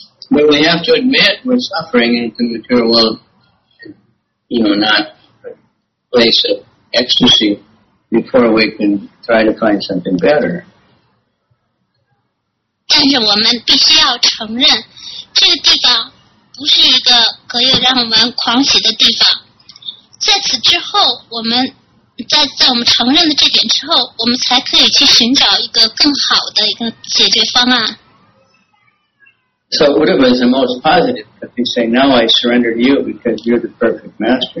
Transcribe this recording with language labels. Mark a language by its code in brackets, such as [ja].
[en] But we have to admit we're suffering in the material world, you know, not a place of ecstasy before we can try to find something better. [zh] 但是我们必须要承认，这个地方 不是一个可以让我们狂喜的地方。在此之后，我们在我们承认了这点之后，我们才可以去寻找一个更好的一个解决方案。 [en] So Uddhava is the most positive. If you say, now I surrender to you because you're the perfect master.